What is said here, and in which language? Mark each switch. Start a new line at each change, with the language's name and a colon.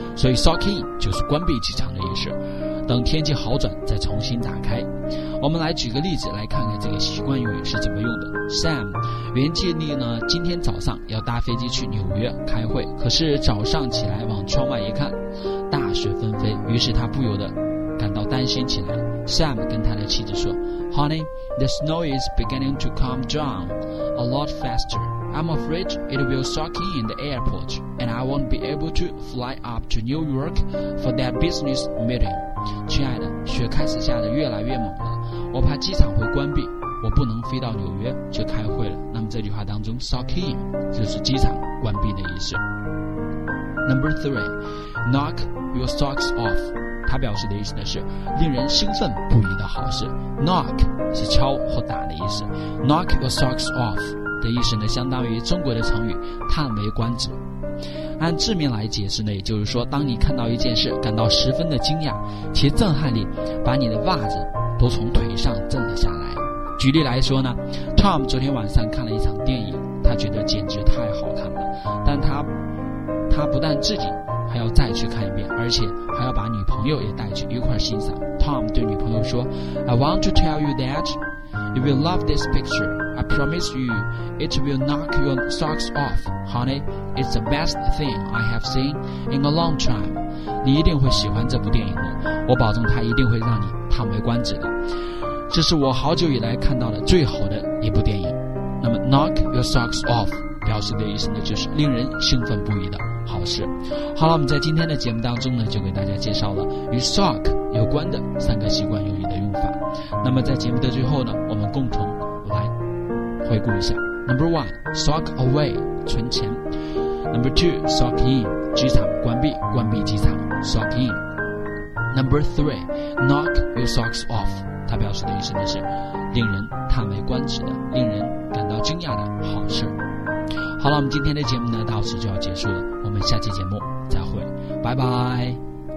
Chinese: 所以 sock in 就是关闭机场的意思，等天气好转再重新打开。我们来举个例子来看看这个习惯用语是怎么用的。Sam 原计划呢今天早上要搭飞机去纽约开会，可是早上起来往窗外一看，大雪纷飞，于是他不由得感到担心起来。
English: Sam
Chinese: 跟他的妻子说，
English: Honey, the snow is beginning to come down a lot faster. I'm afraid it will suck in the airport and I won't be able to fly up to New York for that business meeting.
Chinese: 亲爱的，雪开始下得越来越猛了，我怕机场会关闭，我不能飞到纽约去开会了。那么这句话当中 suck in 就是机场关闭的意思。
English: Number three, knock your socks off，
Chinese: 它表示的意思呢是令人兴奋不已的好事。 knock 是敲或打的意思， knock your socks off 的意思呢相当于中国的成语叹为观止。按字面来解释呢，也就是说当你看到一件事感到十分的惊讶，其震撼力把你的袜子都从腿上震了下来。举例来说呢， Tom 昨天晚上看了一场电影，他觉得简直太好看了，但他不但自己还要再去看一遍，而且还要把女朋友也带去一块欣赏。
English: Tom
Chinese: 对女朋友说，
English: I want to tell you that you will love this picture. I promise you it will knock your socks off. Honey, it's the best thing I have seen in a long time.
Chinese: 你一定会喜欢这部电影的，我保证它一定会让你叹为观止的，这是我好久以来看到的最好的一部电影。那么 knock your socks off 表示的意思呢就是令人兴奋不已的好事。好了，我们在今天的节目当中呢就给大家介绍了与 sock 有关的三个习惯用语的用法。那么在节目的最后呢，我们共同来回顾一下。
English: Number one, sock away,
Chinese: 存钱。
English: Number two, sock in,
Chinese: 机场关闭，关闭机场
English: sock in。 Number three, knock your socks off,
Chinese: 它表示的意思呢是令人叹为观止的，令人感到惊讶的好事。好了，我们今天的节目呢到此就要结束了，我们下期节目再会，拜拜。